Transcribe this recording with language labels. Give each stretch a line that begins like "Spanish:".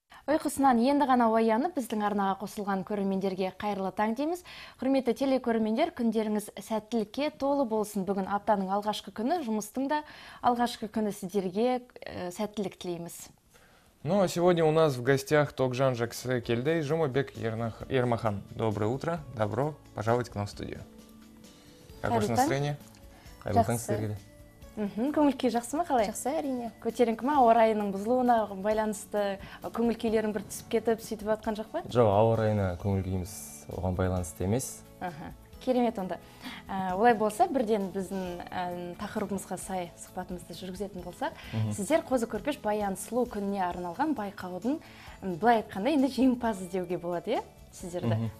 Kazakh: ұйқысынан енді ғана оянып, біздің арнаға қосылған көрермендерге қайырлы таң дейміз. Құрметті телекөрермендер, күндеріңіз сәттілікке толы болсын. Бүгін аптаның алғашқы күні, жұмыстың да алғашқы күні, сіздерге сәттілік тілейміз.
Russian: Ну а сегодня у нас в гостях Токжан Жаксекелде и Жумабек Ермахан. Доброе утро, добро пожаловать к нам в студию. Как ваше настроение? Айлхан Сергей.
Kazakh: Көңілкей жақсы ма, қалай? Жақсы, әрине. Көтеріңкі ма, ауа райының бұзылуына байланысты көңілкейлерің бір түсіп кетіп, сөйтіп атқан жоқ па? Жоқ, ауа райына көңілкейіміз оған байланысты емес. Керемет онда. Олай болса, бірден біздің тақырыбымызға сай сұхбатымызды жүргізетін болсақ, сіздер Қозы Көрпеш Баян Сұлу күніне арналған байқаудың былай айтқанда енді жеңімпазы деуге болады, иә? Сіздерді.